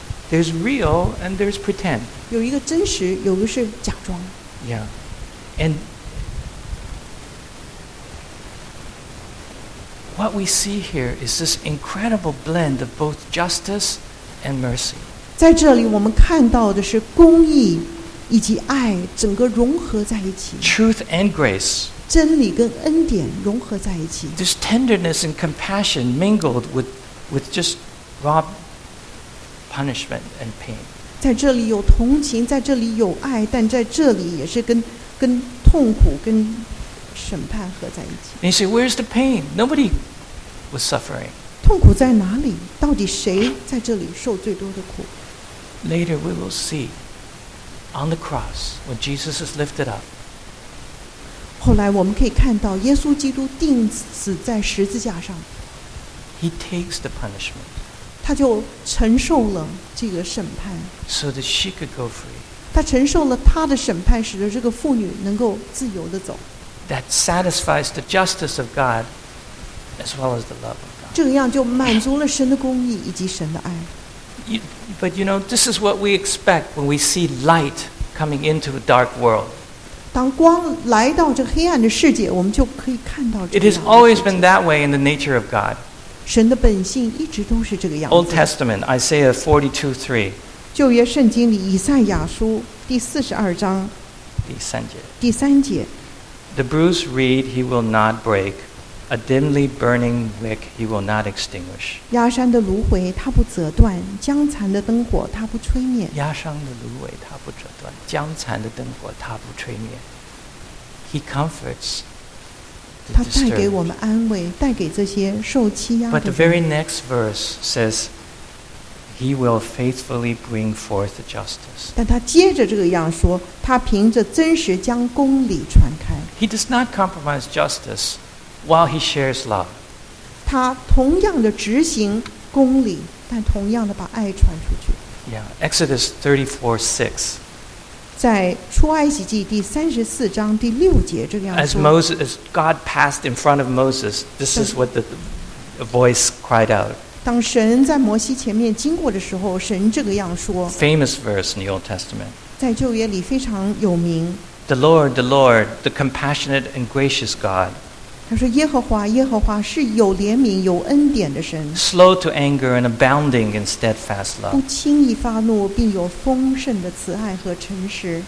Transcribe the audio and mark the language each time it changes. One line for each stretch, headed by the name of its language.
English: There's real and there's pretend.
Chinese: 有一个真实，有一个是假装。
English: Yeah, and what we see here is this incredible blend of both justice. And mercy.
Chinese: 在这里我们看到的是公义以及爱整个融合在一起。
English: Truth and grace.
Chinese: 真理跟恩典融合在一起。
English: There's tenderness and compassion mingled with just raw punishment and pain.
Chinese: 在这里有同情，在这里有爱，但在这里也是跟痛苦跟审判合在一起。
English: And you say, where's the pain? Nobody was suffering.
Chinese: 痛苦在哪里？到底谁在这里受最多的苦？
English: Later we will see on the cross when Jesus is lifted up.
Chinese: 后来我们可以看到耶稣基督钉死在十字架上。
English: He takes the punishment.
Chinese: 他就承受了这个审判。
English: So that she could go free.
Chinese: 他承受了他的审判，使得这个妇女能够自由地走。
English: That satisfies the justice of God as well as the love of God.
Chinese: 这样就满足了神的公义以及神的爱。
English: But you know, this is what we expect when we see light coming into a dark world.
Chinese: 当光来到这黑暗的世界，我们就可以看到。
English: It has always been that way in the nature of God.
Chinese: 神的本性一直都是这个样子。
English: Old Testament, Isaiah 42:3.
Chinese: 旧约圣经里以赛亚书第四十二章第三节。第三节。
English: The bruised reed he will not break, A dimly burning wick he will not extinguish.
Chinese: 压山的芦苇他不折断，江残的灯火他不吹灭。压山的芦苇他不折断，江残的灯火他不吹灭。
English: He comforts.
Chinese: 他带给我们安慰，带给这些受欺压的人。
English: But the very next verse says. He will faithfully bring forth justice.
Chinese: 但他接着这个样说，他凭着真实将公理传开。
English: He does not compromise justice while he shares love.
Chinese: 他同样的执行公理，但同样的把爱传出去。
English: Yeah, Exodus 34:6.
Chinese: 在出埃及记第三十四章第六节这个样说。
English: As Moses, as God passed in front of Moses, this is what the voice cried out.
Chinese: 当神在摩西前面经过的时候，神这个样说。
English: Famous verse in the Old Testament.
Chinese: 在旧约里非常有名。
English: The Lord, the Lord, the compassionate and gracious God.
Chinese: 他说：“耶和华，耶和华是有怜悯、有恩典的神。”
English: Slow to anger and abounding in steadfast love.
Chinese: 不轻易发怒，并有丰盛的慈爱和诚实。